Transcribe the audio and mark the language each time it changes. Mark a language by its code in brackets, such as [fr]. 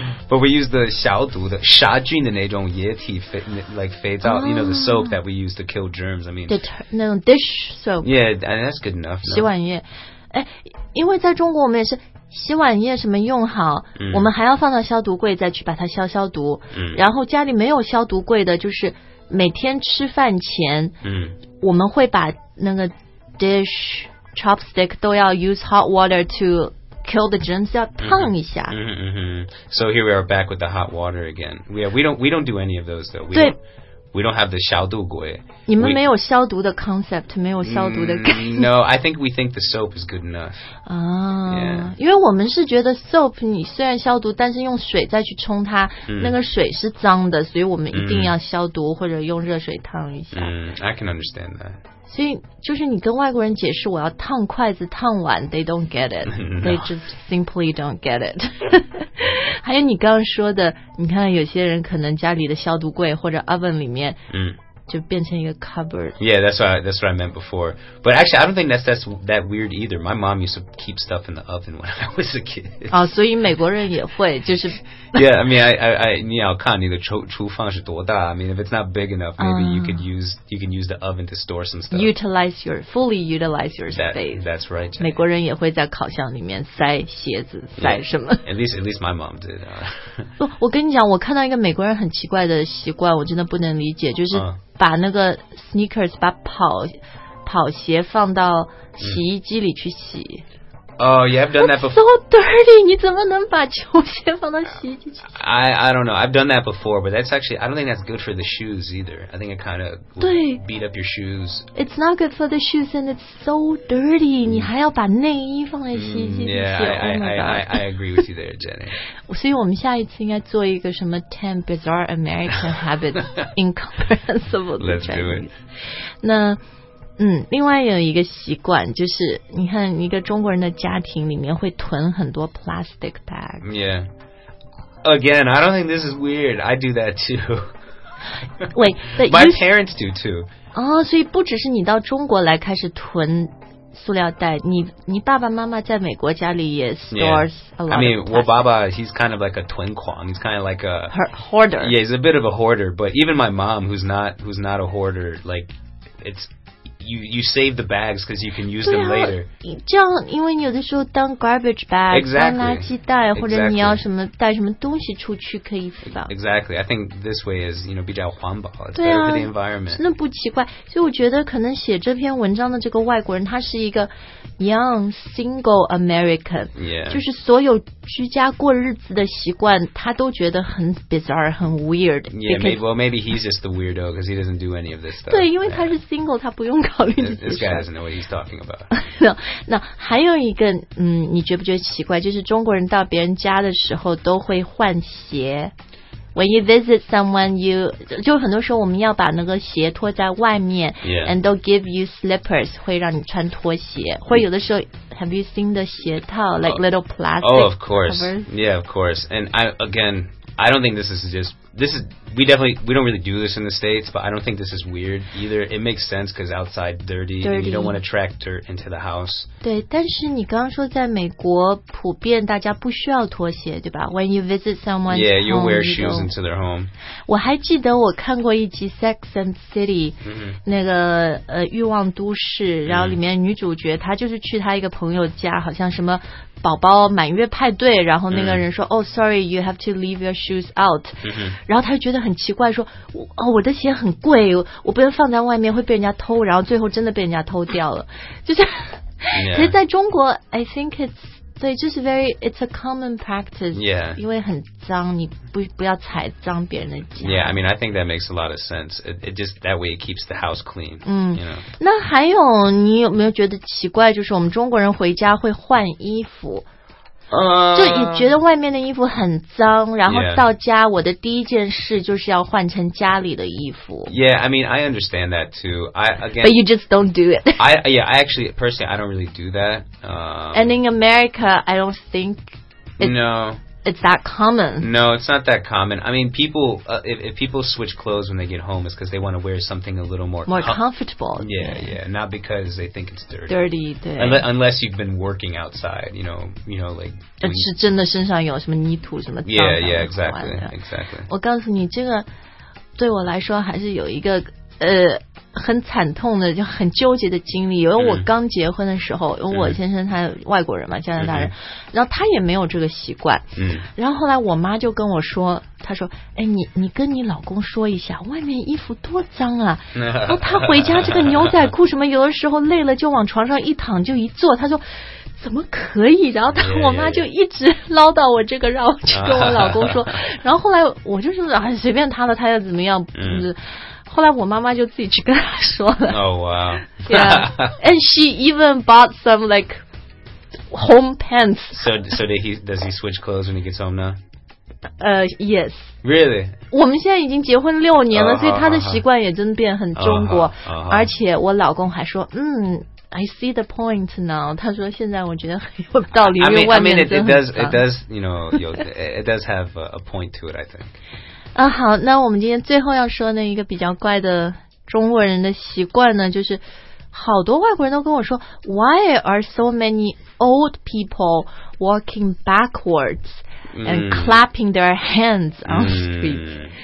[en] But we use the [zh] 消毒的杀菌的那种液体肥皂、 [en] you know, the soap that we use to kill germs. I mean, no, dish soap. Yeah, and that's good enough. [zh] 洗碗液。因为在中国我们也是洗碗液什么用好、我们还要放到消毒柜再去把它消毒、然后家里没有消毒柜的就是每天吃饭前、我们会把那个 [en] dish chopstick [zh] 都要 [en] use hot water to kill the germs [zh] 要烫一下、 [en] So here we are back with the hot water again. We don't do any of those though. We don't have the 消毒柜。 [zh] 你们没有消毒的 concept， 没有消毒的概念。 [en] No, I think we think the soap is good enough. [zh] 因为我们是觉得 soap， 你虽然消毒，但是用水再去冲它，那个水是脏的，所以我们一定要消毒或者用热水烫一下。 [en] I can understand that. [zh] 所以就是你跟外国人解释我要烫筷子、烫碗 ， [en] they don't get it. No. They just simply don't get it. [zh] 还有你刚刚说的，你看有些人可能家里的消毒柜或者 oven 里面，就变成一个 cupboard。 [en] Yeah, that's what I meant before. But actually, I don't think that's that weird either. My mom used to keep stuff in the oven when I was a kid. [zh] 哦，所以美国人也会，就是。 [en] Yeah, I mean, I [zh] 你要看你的厨房是多大。 [en] I mean, if it's not big enough, maybe you can use the oven to store some stuff. Fully utilize your space. That's right.、Jenny. [zh] 美国人也会在烤箱里面塞鞋子，塞什么 [en] ？At least my mom did. [zh] 我跟你讲，我看到一个美国人很奇怪的习惯，我真的不能理解，就是。把那个 sneakers 把跑鞋放到洗衣机里去洗。 [en] Oh, you have done that before. So dirty! [zh] 你怎么能把球鞋放到洗衣机去洗 [en] ？I don't know. I've done that before, but that's actually I don't think that's good for the shoes either. I think it kind of beat up your shoes. It's not good for the shoes, and it's so dirty. [zh] 你还要把内衣放在洗衣机里洗。 [en] Yeah, I agree with you there, Jenny. [zh] 所以我们下一次应该做一个什么 [en] 10 bizarre American habits incomprehensible to Chinese. Let's do it. [zh] 那。另外有一个习惯就是你看一个中国人的家庭里面会囤很多 plastic bag. [en] Yeah. Again, I don't think this is weird. I do that too. Wait, my parents do too. [zh] 哦，所以不只是你到中国来开始囤塑料袋，你爸爸妈妈在美国家里也 stores、 [en] yeah. a lot. I mean, [zh] 我爸爸 [en] he's kind of like a 囤狂 he's kind of like a hoarder. Yeah, he's a bit of a hoarder, but even my mom who's not a hoarder, like it'sYou save the bags because you can use them later. [zh] 这样，因为你有的时候当 garbage bag， [en] exactly, [zh] 当垃圾袋，或者你要什么带什么东西出去可以放。 [en] Exactly, I think this way is you know [zh] 比较环保。对啊 [en] ，for the environment. [zh] 那不奇怪，所以我觉得可能写这篇文章的这个外国人，他是一个 [en] young single American， yeah, [zh] 就是所有居家过日子的习惯，他都觉得很 bizarre， 很 weird. [en] Yeah, maybe he's just the weirdo because he doesn't do any of this stuff. [zh] 对，因为他是 single，、他不用。 [en] This guy doesn't know what he's talking about. [zh] No, 还有一个，你觉不觉得奇怪？就是中国人到别人家的时候都会换鞋。 [en] When you visit someone, you [zh] 就很多时候我们要把那个鞋脱在外面 [en] ，yeah. And they'll give you slippers, [zh] 会让你穿拖鞋。或有的时候 [en] ，Have you seen the 鞋套 like little plastic? Oh, of course.、 covers? Yeah, of course. And I again, I don't think this is just, this is, we definitely, we don't really do this in the States, but I don't think this is weird either. It makes sense because outside dirty, and you don't want to track dirt into the house. [zh] 对，但是你刚刚说在美国普遍大家不需要拖鞋，对吧？ [en] When you visit someone's home. Yeah, you'll wear shoes into their home. [zh] 我还记得我看过一集 Sex and City, 那个欲望都市，然后里面女主角她就是去她一个朋友家，好像什么宝宝满月派对，然后那个人说 [en] Oh, sorry, you have to leave your shoes out. [zh] 然后他就觉得很奇怪，说哦，我的鞋很贵，我不能放在外面会被人家偷，然后最后真的被人家偷掉了。就是、 [en] yeah. [zh] 其实在中国 [en] I think it's [zh] 对，就是 [en] very, it's a common practice. Yeah. [zh] 因为很脏，你 不要踩脏别人的脚。 [en] Yeah, I mean, I think that makes a lot of sense. It just, that way it keeps the house clean. [zh] 嗯， [en] you know? [zh] 那还有你有没有觉得奇怪，就是我们中国人回家会换衣服。就也觉得外面的衣服很脏，然后到家、 [en] yeah. [zh] 我的第一件事就是要换成家里的衣服。 [en] Yeah, I mean, I understand that too. I, again, but you just don't do it. I actually, personally, I don't really do that. And in America, I don't think No. it's that common. No, it's not that common. I mean, people, if people switch clothes when they get home, it's because they want to wear something a little more comfortable. Yeah, yeah, not because they think it's dirty. Dirty, 对。 Unless you've been working outside, you know, like... [zh] 是真的身上有什么泥土什么脏的。 [en] Yeah, yeah, exactly. [zh] 我告诉你，这个对我来说还是有一个很惨痛的就很纠结的经历，因为我刚结婚的时候，因为我先生他外国人嘛，加拿大人，然后他也没有这个习惯，然后后来我妈就跟我说，她说哎，你跟你老公说一下外面衣服多脏啊，然后他回家这个牛仔裤什么有的时候累了就往床上一躺就一坐，他说怎么可以，然后他我妈就一直唠叨我这个，让我去跟我老公说，然后后来我就是哎，随便他了，他要怎么样，后来我妈妈就自己去跟她说了。 [en] Oh, wow. Yeah. And she even bought some, like, home pants. So does he switch clothes when he gets home now? Yes. Really? [zh] 我们现在已经结婚六年了，所以他的习惯也真的变很中国。而且我老公还说， [en] I see the point now. [zh] 他说现在我觉得很有道理，因为外面真的很脏。 [en] It does have a point to it, I think. [zh] 啊，好，那我们今天最后要说的一个比较怪的中国人的习惯呢，就是好多外国人都跟我说 ， [en] Why are so many old people walking backwards and clapping their hands on street？